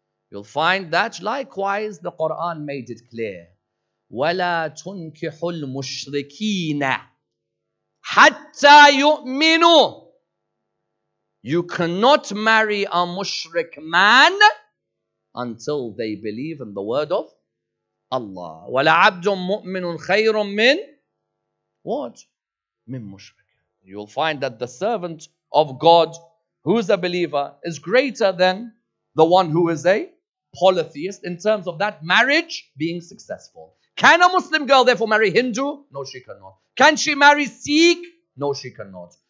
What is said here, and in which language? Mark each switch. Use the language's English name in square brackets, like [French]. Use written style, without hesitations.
[English] You'll find that likewise the Quran made it clear. [Arabic] وَلَا تُنْكِحُ الْمُشْرِكِينَ حَتَّى يُؤْمِنُ. [English] You cannot marry a mushrik man until they believe in the word of Allah. [Arabic] وَلَا عَبْدٌ مُؤْمِنٌ خَيْرٌ مِّن [English] what? [Arabic] مِّن مُشْرِك. [English] You'll find that the servant of God who's a believer is greater than the one who is a polytheist in terms of that marriage being successful. Can a Muslim girl therefore marry Hindu? No, she cannot. Can she marry Sikh? No, she cannot.